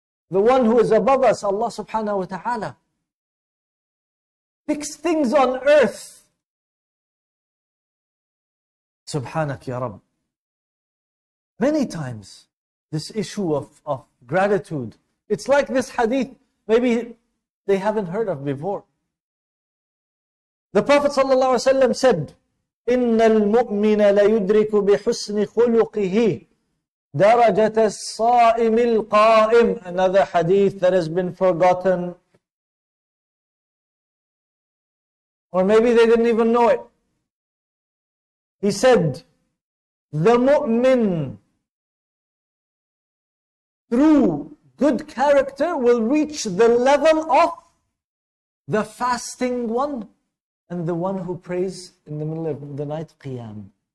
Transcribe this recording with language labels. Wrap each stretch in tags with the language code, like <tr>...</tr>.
<en>The one who is above us, Allah subhanahu wa ta'ala. Fix things on earth.</en> <ar>Subhanak ya Rabb.</ar> <en>Many times, this issue of gratitude. It's like this hadith, maybe they haven't heard of before. The Prophet ﷺ said,</en> <ar>إِنَّ الْمُؤْمِنَ لَيُدْرِكُ بِحُسْنِ خُلُقِهِ دَرَجَةَ الصَّائِمِ الْقَائِمِ.</ar> <en>Another hadith that has been forgotten. Or maybe they didn't even know it. He said, the mu'min, through good character, will reach the level of the fasting one and the one who prays in the middle of the night, qiyam.</en>